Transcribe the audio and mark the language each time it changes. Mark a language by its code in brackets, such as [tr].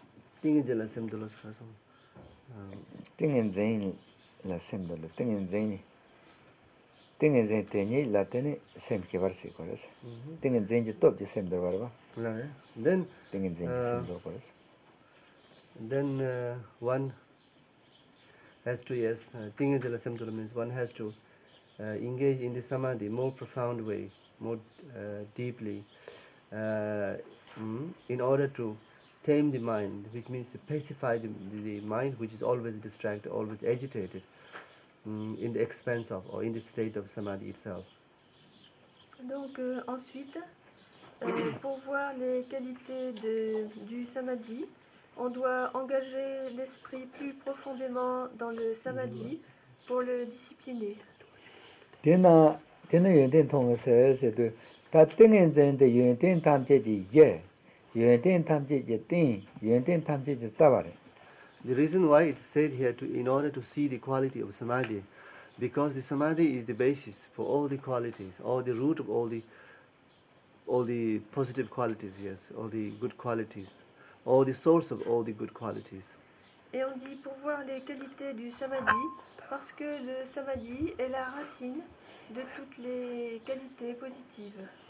[en] has to engage in the samadhi more profound way, more deeply, in order to tame the mind, which means to pacify the mind, which is always distracted, always agitated, in the expense of or in the state of samadhi itself. [fr] Donc ensuite, pour voir les qualités du samadhi, on doit engager l'esprit plus profondément dans le samadhi pour le discipliner. [en] The reason why it's said here in order to see the quality of samadhi, because the samadhi is the basis for all the qualities, all the root of all the positive qualities, yes, all the good qualities, all the source of all the good qualities. [fr] Et on dit pour voir les qualités du samadhi, parce que le samadhi est la racine de toutes les qualités positives.